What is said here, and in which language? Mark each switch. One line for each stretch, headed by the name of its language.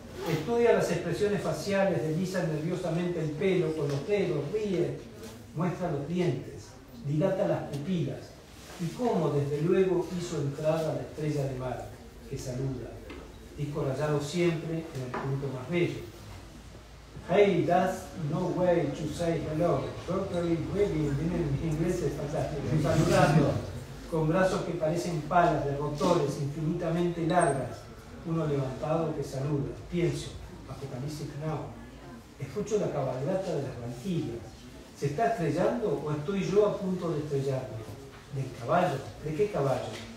Spanish: Estudia las expresiones faciales, desliza nerviosamente el pelo con los dedos, ríe, muestra los dientes, dilata las pupilas. Y cómo, desde luego, hizo entrada la estrella de mar, que saluda, disco rayado siempre en el punto más bello.
English: Hey, that's no way to say hello. Properly waving,
Spanish: en inglés es fantástico. Saludando, con brazos que parecen palas de rotores infinitamente largas, uno levantado que saluda. Pienso, Apocalipsis Now. Escucho la cabalgata de las banquillas. ¿Se está estrellando o estoy yo a punto de estrellarme? ¿Del caballo? ¿De qué caballo?